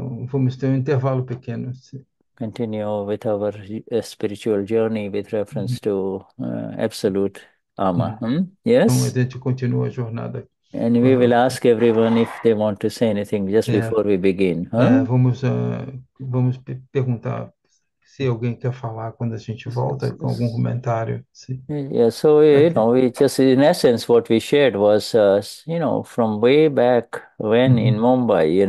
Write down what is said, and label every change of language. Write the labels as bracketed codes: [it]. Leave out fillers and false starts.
[pt] Vamos ter um intervalo pequeno. [en] continue with our spiritual journey with reference to absolute Ama. [pt] Então, a [en] Yes? [pt] gente continua a jornada. [en] And we will ask everyone if they want to say anything just before we begin, huh? [pt] Vamos perguntar se alguém quer falar quando a gente volta, com algum comentário. [en] So, you know, we just in essence, what we shared was, you know, from way back when in Mumbai,